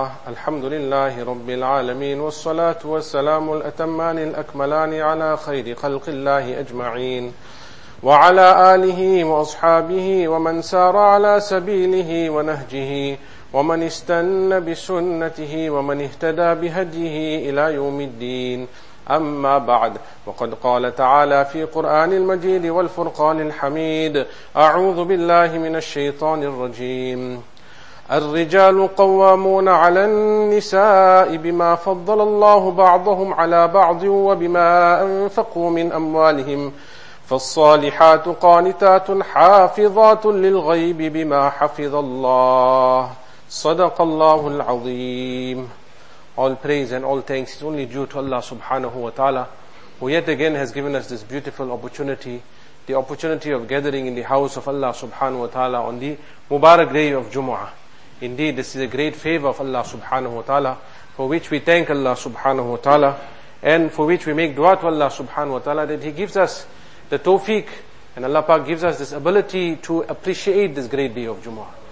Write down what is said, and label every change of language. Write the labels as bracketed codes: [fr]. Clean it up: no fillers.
[ar] আলহামদুলিল্লাহি রাব্বিল আলামিন ওয়াস সালাতু ওয়াস সালামু আল আতমানি আল আকমালানি আলা খায়রি খালকিল্লাহি আজমাইন ওয়া আলা আলিহি ওয়া আসহাবিহি ওয়া মান সারা আলা সাবিলিহি ওয়া নাহজিহি ওয়া মান ইসতানা বিসুন্নতিহি ওয়া মান ইহতাদা বিহাদিহি ইলা ইয়াউমিদ্দিন। أما بعد، وقد قال تعالى في قرآن المجيد والفرقان الحميد: أعوذ بالله من الشيطان الرجيم. الرجال قوامون على النساء بما فضل الله بعضهم على بعض وبما أنفقوا من أموالهم، فالصالحات قانتات حافظات للغيب بما حفظ الله. صدق الله العظيم. [en] All praise and all thanks is only due to Allah subhanahu wa ta'ala, who yet again has given us this beautiful opportunity, the opportunity of gathering in the house of Allah subhanahu wa ta'ala on the Mubarak day of Jumu'ah. Indeed, this is a great favor of Allah subhanahu wa ta'ala, for which we thank Allah subhanahu wa ta'ala, and for which we make dua to Allah subhanahu wa ta'ala, that He gives us the tawfiq, and Allah Pak gives us this ability to appreciate this great day of Jumu'ah.